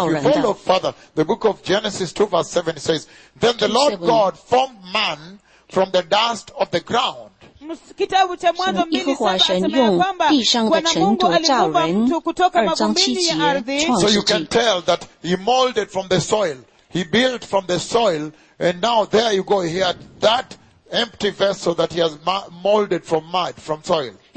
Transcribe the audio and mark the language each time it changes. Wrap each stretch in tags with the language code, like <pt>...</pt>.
<en>the book of Genesis 2 verse 7 says, then the Lord God formed man from the dust of the ground.</en> <zh>耶和华神用地上的尘土造人，二章七节。</zh> <en>So you can tell that he molded from the soil, he built from the soil, and now there you go, he had that empty vessel that he has molded from mud, from soil.</en>